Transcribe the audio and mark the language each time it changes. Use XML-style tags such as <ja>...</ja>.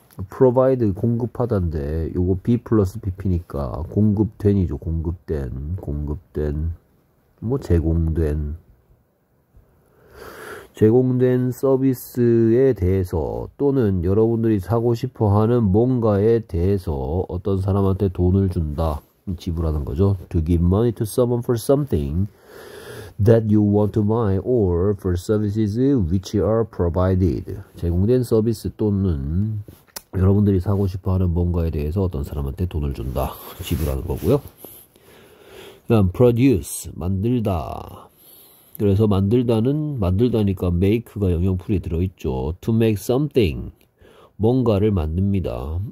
<ko>provide 공급하다인데 요거 be plus pp니까 공급된이죠. 공급된 뭐 제공된 제공된 서비스에 대해서 또는 여러분들이 사고 싶어 하는 뭔가에 대해서 어떤 사람한테 돈을 준다. 지불하는 거죠.</ko> <en>To give money to someone for something that you want to buy or for services which are provided.</en> <ko>제공된 서비스 또는 여러분들이 사고 싶어 하는 뭔가에 대해서 어떤 사람한테 돈을 준다. 지불하는 거고요. 그다음 produce 만들다. 그래서 만들다는 만들다니까 make가 영역풀이 들어있죠.</ko> <en>To make something</en> <ko>뭔가를 만듭니다.</ko>